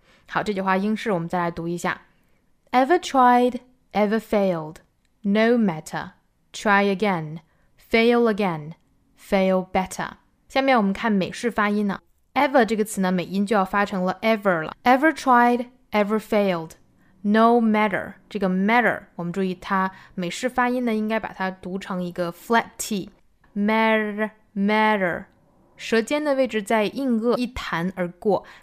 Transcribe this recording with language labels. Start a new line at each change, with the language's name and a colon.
Chinese: 好，这句话英式我们再来读一下。
English: Ever triedEver failed, no matter, try again, fail again, fail better.
Chinese: 下面我们看美式发音呢。Ever 这个词呢，美音就要发成了 ever 了。
English: Ever tried, ever failed, no matter.
Chinese: 这个 matter, 我们注意它美式发音呢，应该把它读成一个 flat T. Matter, 舌尖的位置在硬腭一弹而过。